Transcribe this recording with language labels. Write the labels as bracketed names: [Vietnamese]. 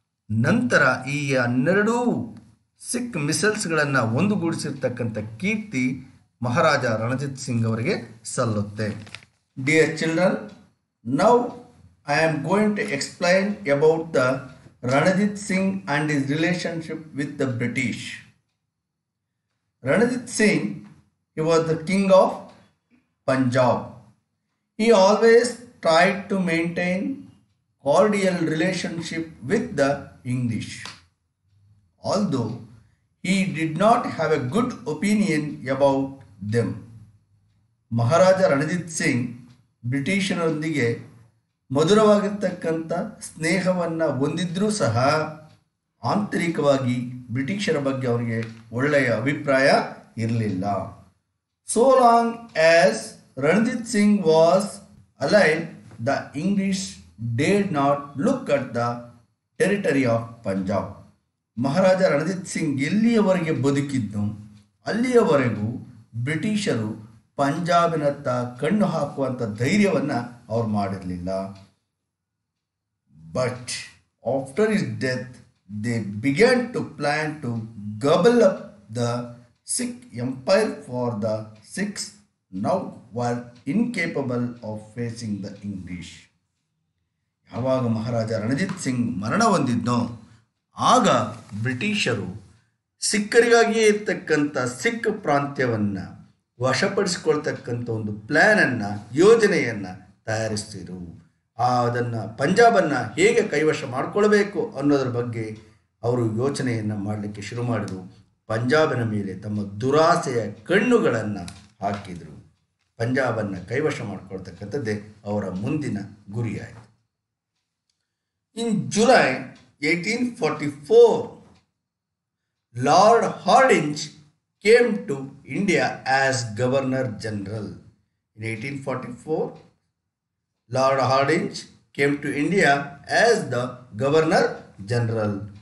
[Kannada] ನಂತರ ಈ 12 ಸಿಖ್ ಮಿಸಲ್ಸ್ಗಳನ್ನು ಒಂದುಗೂಡಿಸಿರ್ತಕ್ಕಂಥ ಕೀರ್ತಿ ಮಹಾರಾಜ ರಣಜಿತ್ ಸಿಂಗ್ ಅವರಿಗೆ ಸಲ್ಲುತ್ತೆ. [English] Dear children, now I am going to explain about the Ranjit Singh and is relationship with the British. Ranjit Singh, he was the king of Punjab. He always tried to maintain cordial relationship with the English. Although he did not have a good opinion about them. [Kannada] Maharaja Ranjit Singh, Britishanarondige maduravagirthakkanta snehavanna hondidru saha aantrikavagi ಬ್ರಿಟಿಷರ ಬಗ್ಗೆ ಅವರಿಗೆ ಒಳ್ಳೆಯ ಅಭಿಪ್ರಾಯ ಇರಲಿಲ್ಲ. [English] So long as Ranjit Singh was align, the English dead not look at the territory of Punjab. [Kannada] ಮಹಾರಾಜ ರಣಜಿತ್ ಸಿಂಗ್ ಎಲ್ಲಿಯವರೆಗೆ ಬದುಕಿದ್ದು ಅಲ್ಲಿಯವರೆಗೂ ಬ್ರಿಟಿಷರು ಪಂಜಾಬಿನತ್ತ ಕಣ್ಣು ಹಾಕುವಂಥ ಧೈರ್ಯವನ್ನು ಅವ್ರು ಮಾಡಿರಲಿಲ್ಲ. [English] But after is death they began to plan to gobble up the Sikh empire, for the Sikhs now were incapable of facing the English. [Kannada] ಯಾವಾಗ ಮಹಾರಾಜ ರಣಜಿತ್ ಸಿಂಗ್ ಮರಣ ಹೊಂದಿದ್ದೋ ಆಗ ಬ್ರಿಟಿಷರು ಸಿಖ್ಖರಿಗಾಗಿಯೇ ಇರ್ತಕ್ಕಂಥ ಸಿಖ್ ಪ್ರಾಂತ್ಯವನ್ನು ವಶಪಡಿಸಿಕೊಳ್ತಕ್ಕಂಥ ಒಂದು ಪ್ಲ್ಯಾನನ್ನು, ಯೋಜನೆಯನ್ನು ತಯಾರಿಸ್ತಿದ್ರು. ಅದನ್ನು ಪಂಜಾಬನ್ನು ಹೇಗೆ ಕೈವಶ ಮಾಡಿಕೊಳ್ಬೇಕು ಅನ್ನೋದ್ರ ಬಗ್ಗೆ ಅವರು ಯೋಚನೆಯನ್ನು ಮಾಡಲಿಕ್ಕೆ ಶುರು ಮಾಡಿದರು. ಪಂಜಾಬಿನ ಮೇಲೆ ತಮ್ಮ ದುರಾಸೆಯ ಕಣ್ಣುಗಳನ್ನು ಹಾಕಿದರು. ಪಂಜಾಬನ್ನು ಕೈವಶ ಮಾಡಿಕೊಳ್ತಕ್ಕಂಥದ್ದೇ ಅವರ ಮುಂದಿನ ಗುರಿಯಾಯಿತು. [English] In July 1844 lord Hardinge came to India as governor general. In 1844 Lord Hardinge came to India as the Governor General.